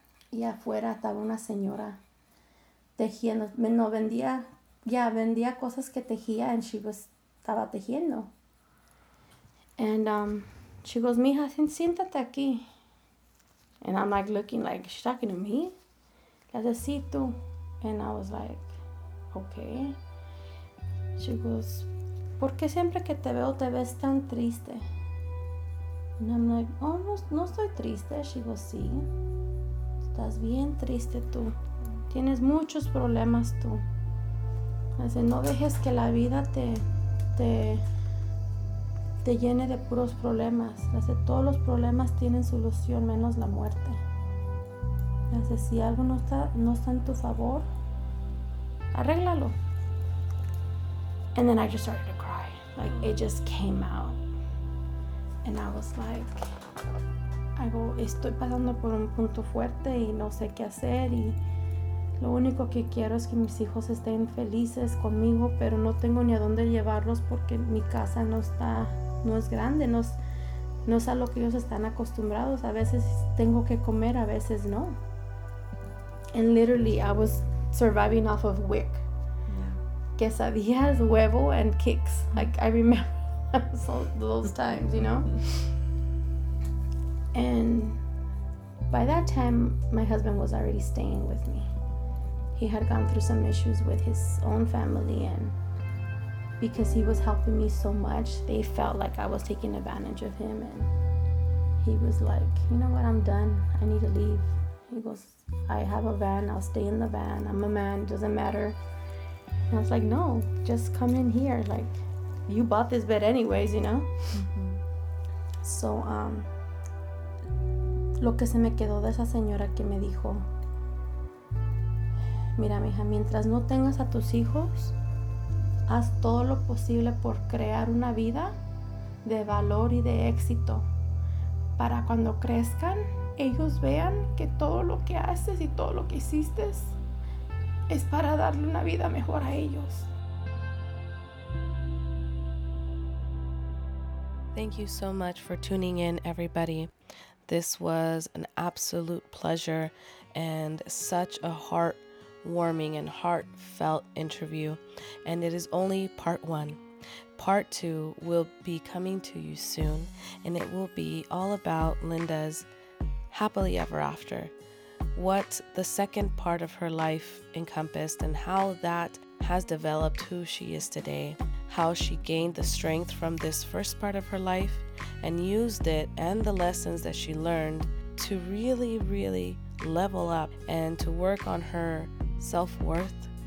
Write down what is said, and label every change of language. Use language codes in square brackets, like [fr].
[es] Y afuera estaba una señora tejiendo. No vendía. [en] Yeah, [es] vendía cosas que tejía, [en] and she was [es] estaba tejiendo. [en] And she goes, [es] mija, siéntate aquí. [en] And I'm like looking like, she's talking to me? [es] La de sí, tú. [en] And I was like, okay. She goes, [es] ¿por qué siempre que te veo te ves tan triste? [en] And I'm like, oh, [es] no estoy triste. [en] She goes, [es] sí. Estás bien triste tú. Tienes muchos problemas tú. Dice, no dejes que la vida te llene de puros problemas. Dice, todos los problemas tienen solución, menos la muerte. Dice, si algo no está en tu favor, arréglalo. [en] And then I just started to cry. Like, it just came out. And I was like, [es] estoy pasando por un punto fuerte y no sé qué hacer y lo único que quiero es que mis hijos estén felices conmigo, pero no tengo ni a dónde llevarlos porque mi casa no es grande, no es a lo que ellos están acostumbrados. A veces tengo que comer, a veces no. [en] And literally I was surviving off of WIC. Quesadillas, [es] huevo [en] and kicks. Like, I remember those times, you know. And by that time, my husband was already staying with me. He had gone through some issues with his own family, and because he was helping me so much, they felt like I was taking advantage of him. And he was like, you know what, I'm done. I need to leave. He goes, I have a van, I'll stay in the van. I'm a man, doesn't matter. And I was like, no, just come in here. Like, you bought this bed anyways, you know? Mm-hmm. [es] So, lo que se me quedó de esa señora que me dijo, mira, mija, mientras no tengas a tus hijos, haz todo lo posible por crear una vida de valor y de éxito para cuando crezcan, ellos vean que todo lo que haces y todo lo que hiciste es para darle una vida mejor a ellos. [en] Thank you so much for tuning in, everybody. This was an absolute pleasure and such a heartwarming and heartfelt interview. And it is only part one. Part two will be coming to you soon, and it will be all about Linda's happily ever after, what the second part of her life encompassed and how that has developed who she is today, how she gained the strength from this first part of her life and used it and the lessons that she learned to really, really level up and to work on her self-worth,